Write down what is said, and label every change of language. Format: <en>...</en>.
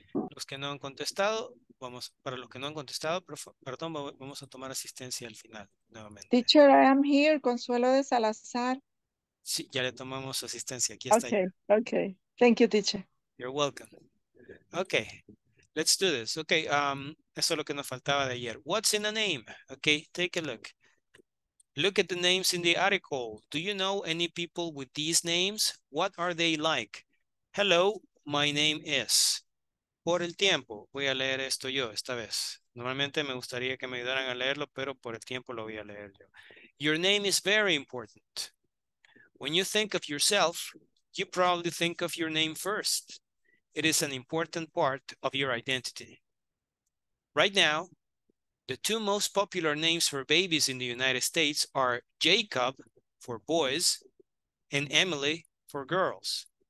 <es>Los que no han contestado, vamos, para los que no han contestado, perdón, vamos a tomar asistencia al final nuevamente.</es> <en>Teacher, I am here. Consuelo de Salazar.</en> <es>Sí, ya le tomamos asistencia. Aquí está.</es> <en>Ok, ok. Thank you, teacher. You're welcome. Okay, let's do this.</en> <es>Okay, eso es lo que nos faltaba de ayer.</es> <en>What's in a name? Okay, take a look. Look at the names in the article. Do you know any people with these names? What are they like? Hello, my name is.</en> <es>Por el tiempo, voy a leer esto yo esta vez. Normalmente me gustaría que me ayudaran a leerlo, pero por el tiempo lo voy a leer yo.</es> <en>Your name is very important. When you think of yourself, you probably think of your name first. It is an important part of your identity. Right now, the two most popular names for babies in the United States are Jacob for boys and Emily for girls.</en>